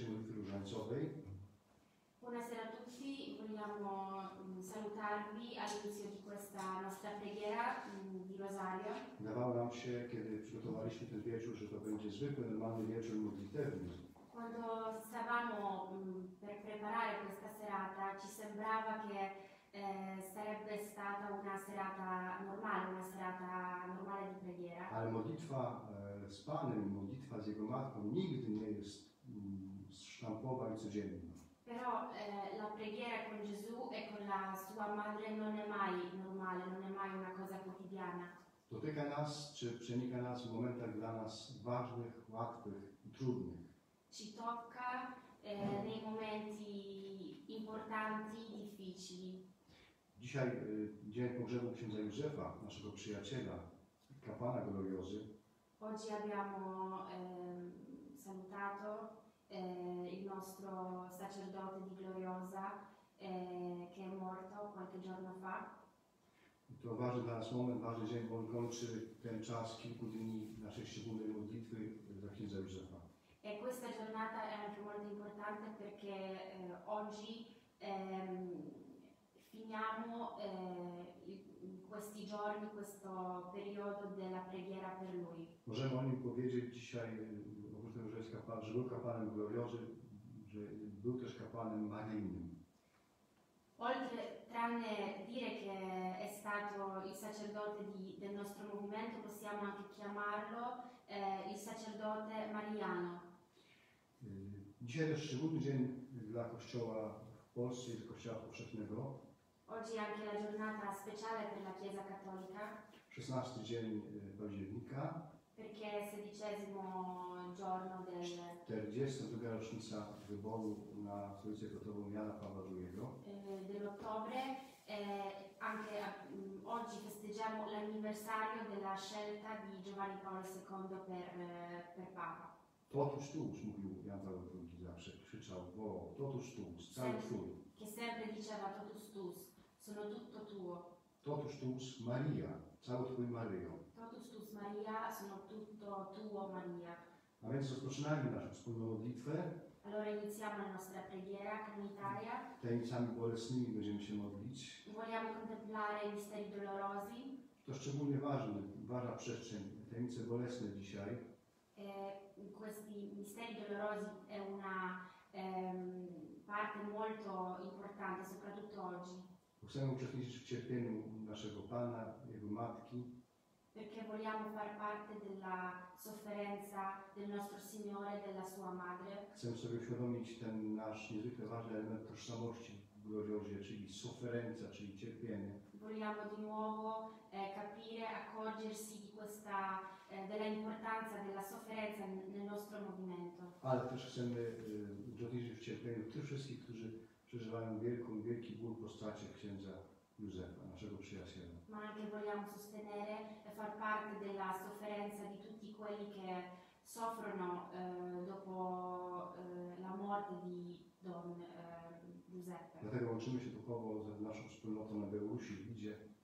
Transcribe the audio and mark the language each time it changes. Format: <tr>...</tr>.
<it>Buonasera a tutti, vogliamo salutarvi all'inizio di questa nostra preghiera di Rosario.</it> <pl>Davamo nam się, kiedy przygotowaliśmy ten wieczór, że to będzie zwykły, normalny wieczór modlitewny.</pl> <it>Quando stavamo per preparare questa serata, ci sembrava che sarebbe stata una serata normale, una serata normale di preghiera.</it> <pl>Ale modlitwa z Panem, modlitwa z Jego Matką nigdy nie jest sztampowa i codzienna.</pl> <it>Però la preghiera con Gesù e con la sua madre non è mai normale, non è mai una cosa quotidiana.</it> <pl>Dotyka nas, czy przenika nas w momentach dla nas ważnych, łatwych i trudnych.</pl> <it>Ci tocca nei momenti importanti, difficili.</it> <pl>Dzisiaj dzień pogrzebu księdza Józefa, naszego przyjaciela, kapłana Gloriozy.</pl> <it>Oggi abbiamo salutato il nostro sacerdote di Gloriosa che è morto qualche giorno fa.</it> <pl>To ważny dla nas moment, ważny dzień, bo on kończy ten czas kilku dni naszej szczególnej modlitwy za księdza Józefa.</pl> <it>E questa giornata è anche molto importante perché oggi finiamo questi giorni, questo periodo della preghiera per lui.</it> <pl>Możemy o nim powiedzieć dzisiaj, oprócz tego, że był kapłanem Gloriozy, że był też kapłanem Maryjnym.</pl> <it>Oltre, tranne dire che è stato il sacerdote del nostro movimento, possiamo anche chiamarlo il sacerdote Mariano.</it> <pl>Dzisiaj też szczególny dzień dla Kościoła w Polsce, dla Kościoła Powszechnego.</pl> <it>Oggi è anche la giornata speciale per la Chiesa Cattolica.</it> <pl>16 dzień października.</pl> <it>perché è il sedicesimo giorno del</it> <pl>40° rocznica wyboru na trzeciego tego miana Pawła II</pl> <it>dell'ottobre. Anche oggi festeggiamo l'anniversario della scelta di Giovanni Paolo II per Papa.</it> <la>Totus tuus,</la> <pl>mówił Jan Paweł II zawsze, krzyczał, wołał, totus tuus, cały twój.</pl> <it>Che sempre diceva</it> <la>totus tuus,</la> <it>sono tutto tuo.</it> <la>Totus tuus, Maria,</la> <pl>cały twój Mario.</pl> <la>Totus tuus, Maria,</la> <it>sono tutto tuo, Maria.</it> <pl>A więc rozpoczynajmy naszą wspólną modlitwę.</pl> <it>Allora iniziamo la nostra preghiera comunitaria.</it> <pl>Tajemnicami bolesnymi będziemy się modlić.</pl> <it>Vogliamo contemplare i misteri dolorosi.</it> <pl>To szczególnie ważne, ważna przestrzeń, tajemnice bolesne dzisiaj.</pl> <it>Questi misteri dolorosi è una parte molto importante, soprattutto oggi.</it> <pl>Chcemy uczestniczyć w cierpieniu naszego Pana, Jego Matki.</pl> <it>Perché vogliamo far parte della sofferenza del nostro Signore, della Sua Madre.</it> <pl>Chcemy sobie uświadomić ten nasz niezwykle ważny element tożsamości w Gloriosie, czyli sofferenza, czyli cierpienie.</pl> <it>Vogliamo di nuovo capire, accorgersi di questa della importanza della sofferenza nel nostro movimento.</it> <pl>Ale też chcemy uczestniczyć w cierpieniu tych wszystkich, którzy przeżywają wielki ból po stracie księdza Giuseppe, naszego przyjaciela.</pl> <it>Ma anche vogliamo sostenere e far parte della sofferenza di tutti quelli che soffrono dopo la morte di Don Giuseppe.</it> <pl>Dlatego łączymy się duchowo z naszą wspólnotą na Białorusi, idzie.</pl>